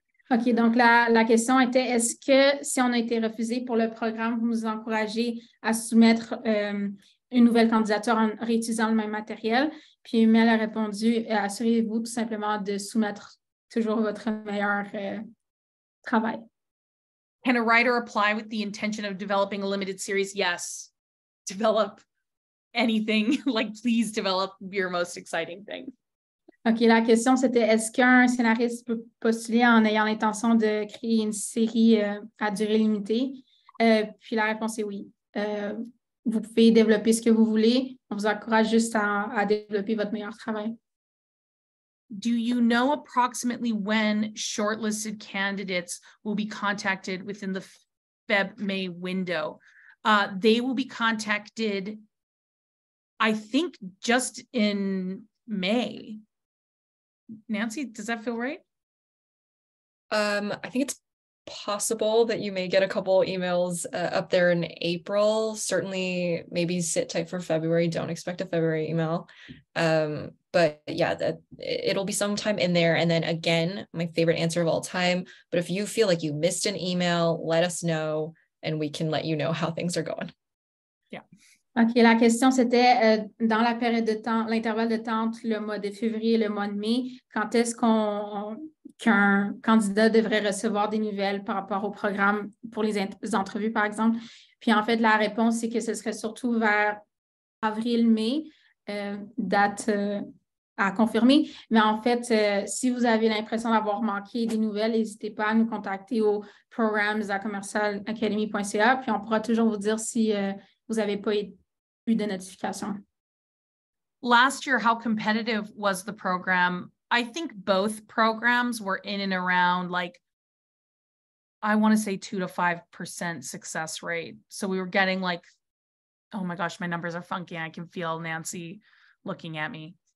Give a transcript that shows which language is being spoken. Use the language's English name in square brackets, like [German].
[French] OK, donc la question était, est-ce que si on a été refusé pour le programme, vous nous encouragez à soumettre une nouvelle candidature en réutilisant le même matériel? Puis Mel a répondu, assurez-vous tout simplement de soumettre toujours votre meilleur travail. [English] Can a writer apply with the intention of developing a limited series? Yes. Develop anything. Like, please develop your most exciting thing. [French] OK, la question, c'était est-ce qu'un scénariste peut postuler en ayant l'intention de créer une série à durée limitée? Puis la réponse est oui. Vous pouvez développer ce que vous voulez. On vous encourage juste à développer votre meilleur travail. [English] Do you know approximately when shortlisted candidates will be contacted within the Feb-May window? They will be contacted, I think, just in May. Nancy, does that feel right? I think it's possible that you may get a couple emails up there in April. Certainly, maybe sit tight for February. Don't expect a February email. But yeah, that it'll be sometime in there. And then again, my favorite answer of all time, but if you feel like you missed an email, let us know and we can let you know how things are going. Yeah. [French] OK, la question, c'était dans la période de temps, l'intervalle de temps entre le mois de février et le mois de mai, quand est-ce qu'un candidat devrait recevoir des nouvelles par rapport au programme pour les entrevues, par exemple? Puis en fait, la réponse, c'est que ce serait surtout vers avril-mai, date à confirmer. Mais en fait, si vous avez l'impression d'avoir manqué des nouvelles, n'hésitez pas à nous contacter au programs@commercialacademy.ca, puis on pourra toujours vous dire si vous n'avez pas eu de notification. [English] Last year, how competitive was the program? I think both programs were in and around, like, I want to say 2-5% success rate. So we were getting like, oh my gosh, my numbers are funky. I can feel Nancy looking at me.